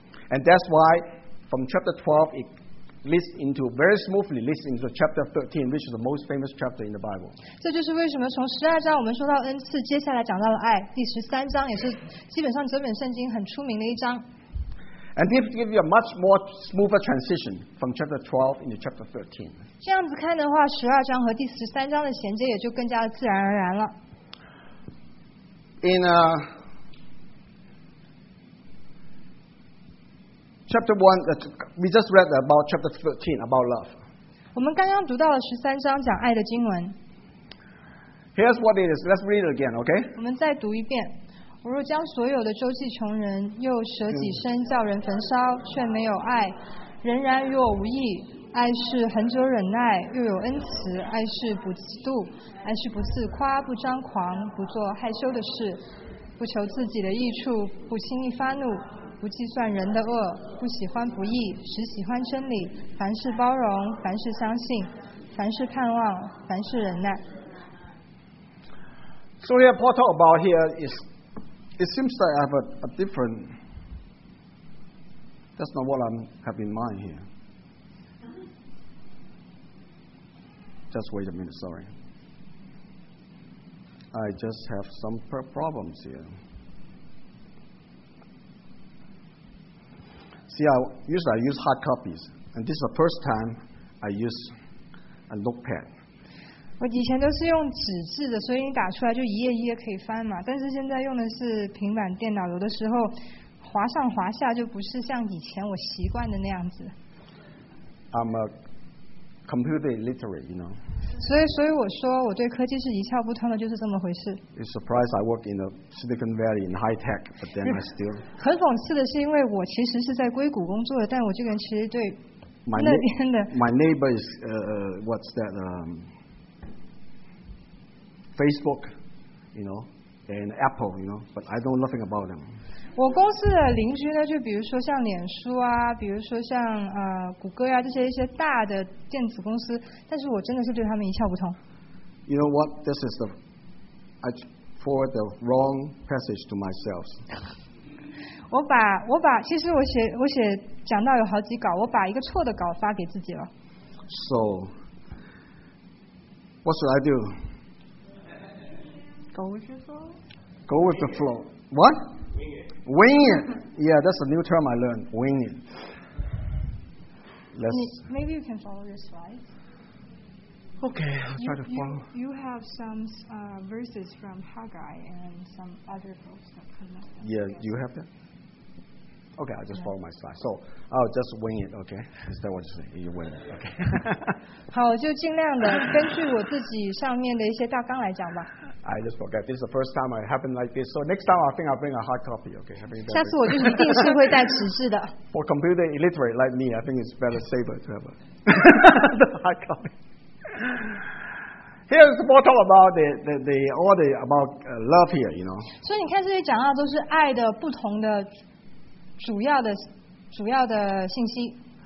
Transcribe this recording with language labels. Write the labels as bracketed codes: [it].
[en] And that's why from chapter 12 it leads into chapter 13, which is the most famous chapter in the Bible. [zh] 这就是为什么从十二章我们说到恩赐，接下来讲到了爱，第十三章也是基本上整本圣经很出名的一章。 [en] And this gives you a much more smoother transition from chapter 12 into chapter 13. [zh] 这样子看的话，十二章和第十三章的衔接也就更加的自然而然了。 [en] Chapter 1, we just read about chapter 13, about love. [zh] 我们刚刚读到了十三章讲爱的经文。 [en] Here's what it is. Let's read it again, okay? [zh] 我们再读一遍。我若将所有的周济穷人，又舍己身叫人焚烧，却没有爱，仍然与我无益。爱是恒久忍耐，又有恩慈；爱是不嫉妒，爱是不自夸，不张狂，不做害羞的事，不求自己的益处，不轻易发怒。不计算人的恶，不喜欢不义，只喜欢真理。凡事包容，凡事相信，凡事盼望，凡事忍耐。 [en] So here, Paul talk about here is, it seems that I have a different. That's not what I have in mind here. Just wait a minute. Sorry. I just have some problems here. See, I use hard copies, and this is the first time I use a notepad. [zh] 我以前都是用纸质的，所以你打出来就一页一页可以翻嘛。但是现在用的是平板电脑，有的时候滑上滑下就不是像以前我习惯的那样子。 [en] I'm a computer illiterate, you know. [zh] 所以我说我对科技是一窍不通的，就是这么回事。 [en] It's surprised I work in the Silicon Valley in high tech, but then I still. [zh] 很讽刺的是，因为我其实是在硅谷工作的，但我这个人其实对那边的。 [en] My neighbor is what's that? Facebook, you know, and Apple, you know, but I know nothing about them. [zh] 我公司的邻居呢，就比如说像脸书啊，比如说像谷歌啊，这些一些大的电子公司，但是我真的是对他们一窍不通。 [en] You know what? This is the I forward the wrong passage to myself. [zh] 我把其实我写讲到有好几稿，我把一个错的稿发给自己了。 [en] So what should I do? Go with the flow. Go with the flow. What? Wing it. Wing it. Yeah, that's a new term I learned. Wing it. Maybe you can follow your slides. Okay, I'll try to follow. You have some verses from Haggai and some other books that come up. Yeah, you have that? Okay, I'll just follow my slides. So, I'll just wing it, okay? Is that what you say? You wing it, okay? [zh] 好，就尽量的根据我自己上面的一些大纲来讲吧。 [en] I just forget. This is the first time it happened like this. So next time, I think I'll bring a hard copy. Okay. [zh] 下次我就一定是会带纸质的。 [en] For computer illiterate like me, I think it's better safer to have a hard copy. Here's the bottom about the all the about love here. You know. [zh] 所以你看这些讲到都是爱的不同的主要的信息。